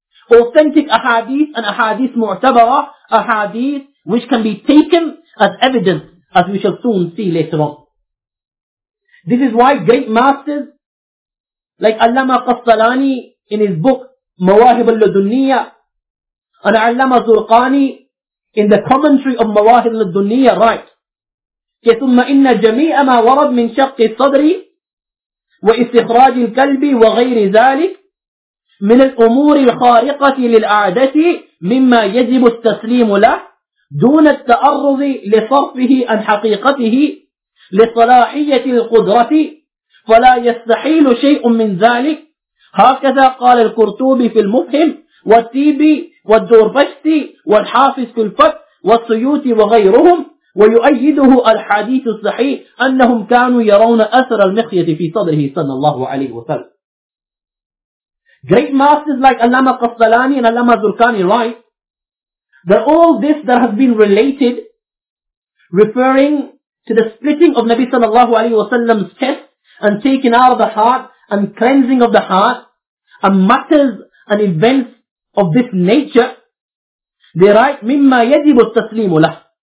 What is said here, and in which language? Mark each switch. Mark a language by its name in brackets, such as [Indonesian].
[English] Authentic Ahadith and Ahadith Mu'tabara, Ahadith which can be taken as evidence, as we shall soon see later on. This is why great masters like Allama Qassalani in his book Mawahib al-Ladunniyah And Allama Zulqani in the commentary of Mawahib al-Dunniya writes, [Arabic] ثُمَّ إِنَّ جَمِيعَ مَا وَرَدْ مِنْ شَقِّ الصَّدْرِ وَإِسْتِخْرَاجِ الْكَلْبِ وَغَيْرِ ذَلِكَ من الأمور الخارقة للعادة مما يجب التسليم له دون التعرض لصرفه عن حقيقته لصلاحية القدرة فلا يستحيل شيء من ذلك. هكذا قال القرطبي في المفهم والتيبي والدوربشتي والحافظ في الفتح والسيوطي وغيرهم ويؤيده الحديث الصحيح أنهم كانوا يرون أثر المخية في صدره صلى الله عليه وسلم. [English] Great masters like Allama Qasdalani and Allama Zulqani write that all this that has been related referring to the splitting of Nabi sallallahu alayhi wasallam's chest and taking out of the heart and cleansing of the heart and matters and events of this nature, they write, [Arabic] مِمَّا يَجِبُ التَّسْلِيمُ لَهُ.